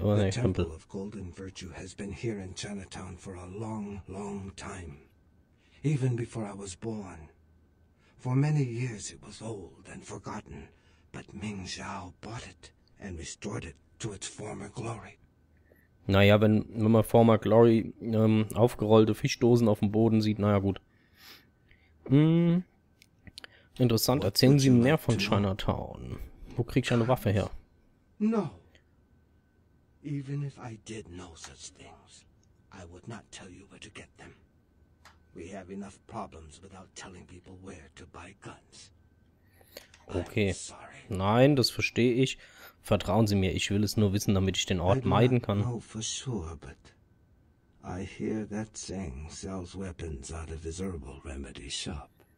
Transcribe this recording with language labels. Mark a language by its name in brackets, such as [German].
[English] Oh, nee, the Temple of Golden Virtue has been here in Chinatown for a long, long time. Even before I was born. For many years it was old and forgotten. But Ming Zhao bought it and restored it to its former glory. [German] Naja, wenn man [English] Former Glory [German] aufgerollte Fischdosen auf dem Boden sieht, naja gut. Interessant, erzählen Sie mehr von Chinatown. Wo krieg ich eine Waffe her? No. [English] Even if I did know such things, I would not tell you where to get them. We have enough problems without telling people where to buy guns. [German] Okay. Nein, das verstehe ich. Vertrauen Sie mir, ich will es nur wissen, damit ich den Ort meiden kann. [English] I don't know for sure, but I hear that Zeng sells weapons out of his herbal remedy shop.